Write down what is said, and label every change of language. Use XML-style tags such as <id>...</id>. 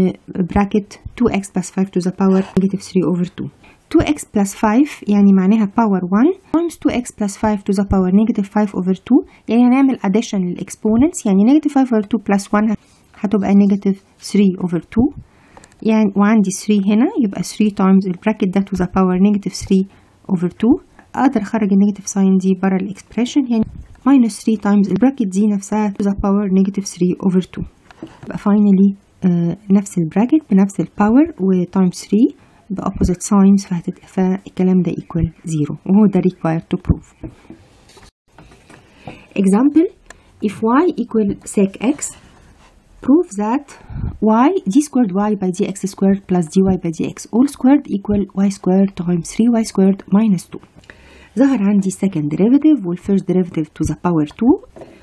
<en>bracket 2x plus 5 to the power negative 3 over 2 2x plus 5</en> <ar>يعني معناها</ar> <en>power 1 times 2x plus 5 to the power negative 5 over 2</en> <ar>يعني هنعمل</ar> <en>addition للexponents يعني negative 5 over 2 plus 1 هتبقى negative 3 over 2</en> <ar>يعني وعندي 3 هنا يبقى</ar> <en>3 times the bracket ده to the power negative 3 over 2</en> <ar>اقدر اخرج النيجاتيف ساين دي برا الاكسبريشن، يعني minus 3 times البراكت دي نفسها</ar> <en>to the power negative 3 over 2.</en> <ar>بقى finally نفس البراكت بنفس الباور و times 3 ب</ar> <en>opposite signs،</en> <ar>فالكلام ده equal 0 وهو ده</ar> <en>required to prove. example if y equal sec x prove that y d squared y by dx squared plus dy by dx all squared equal y squared times 3y squared minus 2.</en> <ar>ظهر عندي</ar> <en>second derivative وال first derivative to the power 2.</en>